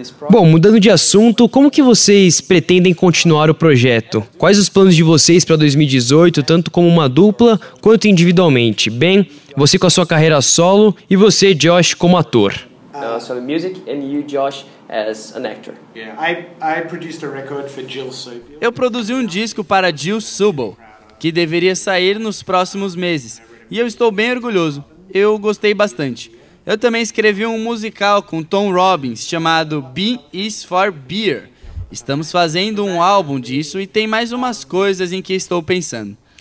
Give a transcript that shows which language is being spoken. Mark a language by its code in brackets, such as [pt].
[pt] Bom, mudando de assunto, como que vocês pretendem continuar o projeto? Quais os planos de vocês para 2018, tanto como uma dupla quanto individualmente? Ben, você com a sua carreira solo e você, Josh, como ator. [en] So the music and you, Josh, as an actor. Yeah, I produced a record for Jill Soubel. [pt] Eu produzi um disco para Jill Soubel, que deveria sair nos próximos meses. E eu estou bem orgulhoso. Eu gostei bastante. Eu também escrevi um musical com Tom Robbins, chamado B is for Beer. Estamos fazendo um álbum disso e tem mais umas coisas em que estou pensando.